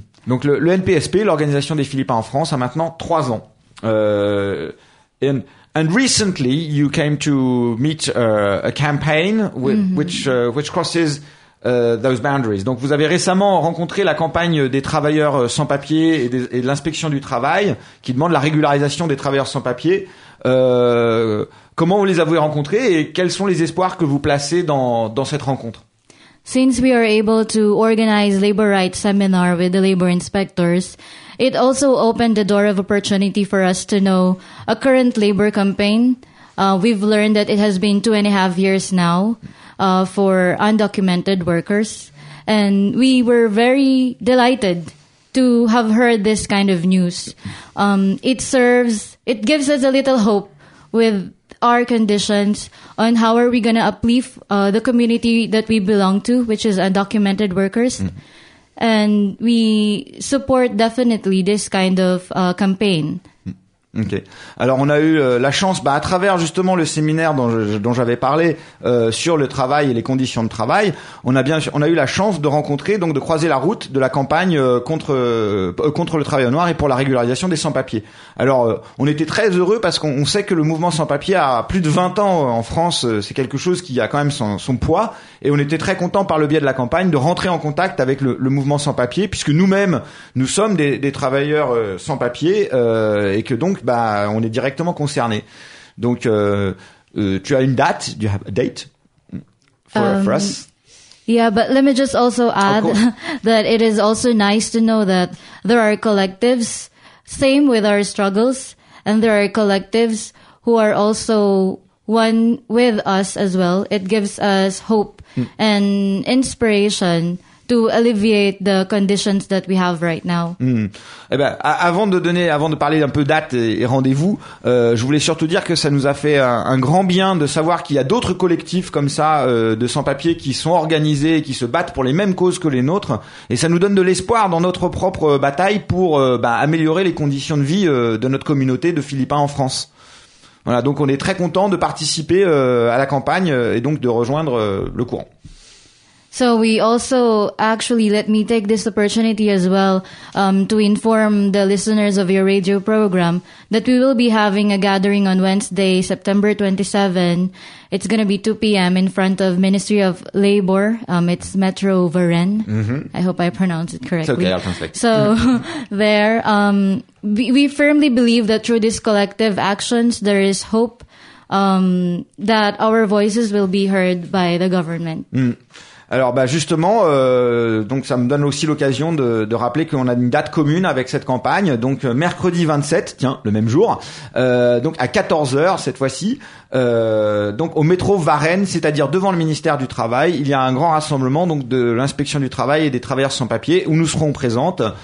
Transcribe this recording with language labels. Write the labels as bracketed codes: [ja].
[fr] Donc le NPSP, l'organisation des Philippins en France, a maintenant 3 ans. [en] And recently you came to meet a campaign which crosses those boundaries. [fr] Donc vous avez récemment rencontré la campagne des travailleurs sans papiers et de l'inspection du travail qui demande la régularisation des travailleurs sans papiers. Comment vous les avez rencontrés et quels sont les espoirs que vous placez dans cette rencontre? [en] Since we are able to organize labor rights seminar with the labor inspectors, it also opened the door of opportunity for us to know a current labor campaign We've learned that it has been 2.5 years now for undocumented workers. And we were very delighted to have heard this kind of news. It gives us a little hope with our conditions on how are we going to uplift the community that we belong to, which is undocumented workers. Mm. And we support definitely this kind of campaign. Ok. [fr] Alors, on a eu la chance, à travers justement le séminaire dont j'avais parlé sur le travail et les conditions de travail, on a eu la chance de rencontrer, donc de croiser la route de la campagne contre le travail noir et pour la régularisation des sans-papiers. Alors, on était très heureux parce qu'on sait que le mouvement sans-papiers a plus de 20 ans en France. C'est quelque chose qui a quand même son poids. Et on était très contents par le biais de la campagne de rentrer en contact avec le mouvement sans-papiers, puisque nous-mêmes, nous sommes des travailleurs sans-papiers et que donc, on est directement concerné. Donc, tu as une date? [en] Do you have a date for us? Yeah, but let me just also add that it is also nice to know that there are collectives, same with our struggles, and there are collectives who are also one with us as well. It gives us hope and inspiration to alleviate the conditions that we have right now. [fr] Eh ben, avant de parler un peu date et rendez-vous, je voulais surtout dire que ça nous a fait un grand bien de savoir qu'il y a d'autres collectifs comme ça de sans-papiers qui sont organisés et qui se battent pour les mêmes causes que les nôtres, et ça nous donne de l'espoir dans notre propre bataille pour améliorer les conditions de vie de notre communauté de Philippins en France. Voilà, donc on est très content de participer à la campagne et donc de rejoindre le courant. [en] So we also actually, let me take this opportunity as well to inform the listeners of your radio program that we will be having a gathering on Wednesday, September 27. It's going to be 2 p.m. in front of Ministry of Labor. It's Metro Varennes. Mm-hmm. I hope I pronounced it correctly. It's okay, I'll translate. So there, we firmly believe that through these collective actions, there is hope that our voices will be heard by the government. Mm. [fr] Alors justement, donc ça me donne aussi l'occasion de rappeler qu'on a une date commune avec cette campagne, donc mercredi 27, tiens, le même jour, donc à 14h cette fois-ci, donc au métro Varennes, c'est-à-dire devant le ministère du Travail, il y a un grand rassemblement donc de l'inspection du travail et des travailleurs sans papier où nous serons présentes,